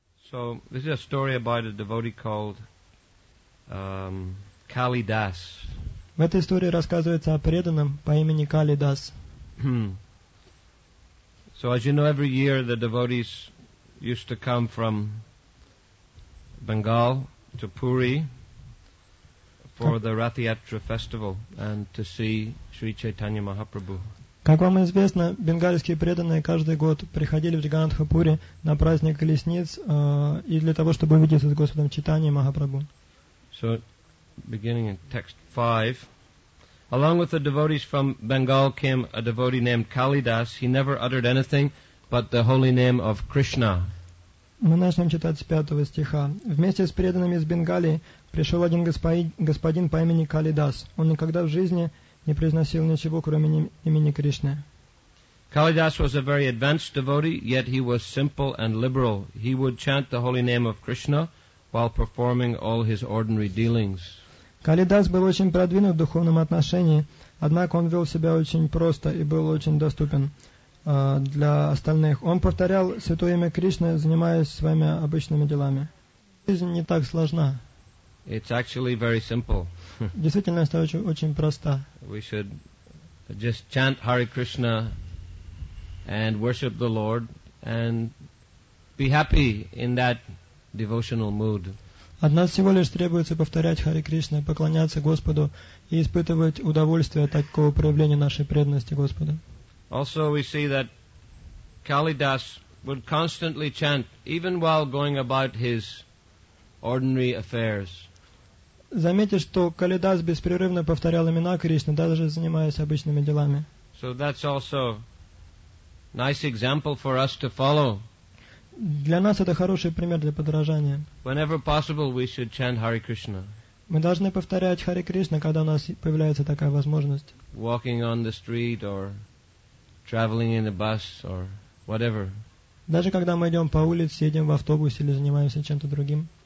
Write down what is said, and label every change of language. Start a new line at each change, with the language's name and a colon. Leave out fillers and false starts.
English: So this is a story about a devotee called Kali Das.
Russian: В этой истории рассказывается о преданном по имени Кали Дас.
English: So as you know, every year the devotees used to come from Bengal to Puri for the Rath Yatra festival and to see Sri Chaitanya Mahaprabhu.
Russian: Как вам известно, бенгальские преданные каждый год приходили в Джаганатхапури на праздник колесниц и для того, чтобы увидеться с Господом Чайтаньей Махапрабху.
English: So, beginning in text 5, along with the devotees from Bengal came a devotee named Kalidas. He never uttered anything but the holy name of Krishna.
Russian: Мы начнем читать с 5 стиха. Вместе с преданными из Бенгалии пришел один господин по имени Калидас. Он никогда в жизни не произносил ничего, кроме имени Кришны.
English: Kalidas was a very advanced devotee, yet he was simple and liberal. He would chant the holy name of Krishna while performing all his ordinary dealings.
Russian: Kalidas был очень продвинут в духовном отношении, однако он вел себя очень просто и был очень доступен для остальных. Он повторял святое имя Кришны, занимаясь своими обычными делами. Жизнь не так сложна.
English: It's actually very simple.
Russian: Действительно, это очень просто.
English: We should just chant Hare Krishna and worship the Lord and be happy in that devotional mood.
Russian: От нас всего лишь требуется повторять Hare Krishna, поклоняться Господу и испытывать удовольствие от такого проявления нашей преданности Господу.
English: Also, we see that Kalidas would constantly chant even while going about his ordinary affairs.
Russian: Заметьте, что Калидас беспрерывно повторял имена Кришны, даже занимаясь обычными делами.
English: So that's also a nice example for us to follow.
Russian: Для нас это хороший пример для подражания.
English: Whenever possible, we should chant Hare Krishna.
Russian: Мы должны повторять Hare Krishna, когда у нас появляется такая возможность.
English: Walking on the street or traveling in a bus or whatever.
Russian: Даже когда мы идем по улице, едем в автобусе или занимаемся чем-то другим.